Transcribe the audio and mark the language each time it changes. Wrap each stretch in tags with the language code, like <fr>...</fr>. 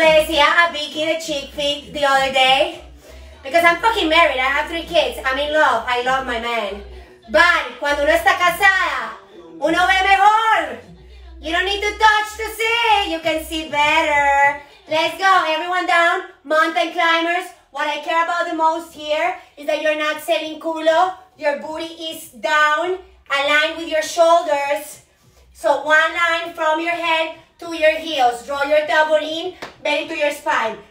<en>The other day, because I'm fucking married, I have three kids, I'm in love, I love my man.</en> <es>But cuando uno está casada, uno ve mejor.</es> <en>You don't need to touch to see, you can see better. Let's go, everyone down, mountain climbers. What I care about the most here is that you're not sitting culo, your booty is down, aligned with your shoulders. So one line from your head to your heels, draw your double in, bend to your spine.</en>